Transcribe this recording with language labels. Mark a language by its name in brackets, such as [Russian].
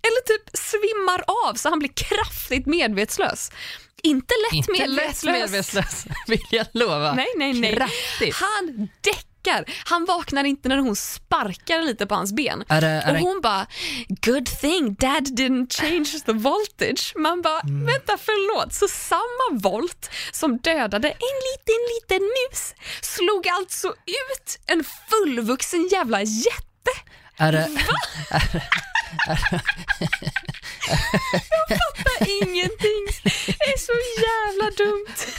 [Swedish] Eller typ svimmar av så han blir kraftigt medvetslös. Inte lätt medvetslös, vill jag lova. Nej, nej, nej. Kraftigt. Han däckar. Han vaknar inte när hon sparkar lite på hans ben. Hon bara, [English] good thing dad didn't change the voltage. [Swedish] Man bara, vänta, förlåt. Så samma volt som dödade en liten mus slog alltså ut en fullvuxen jävla jätte. Jag fattar ingenting. Det är så jävla dumt.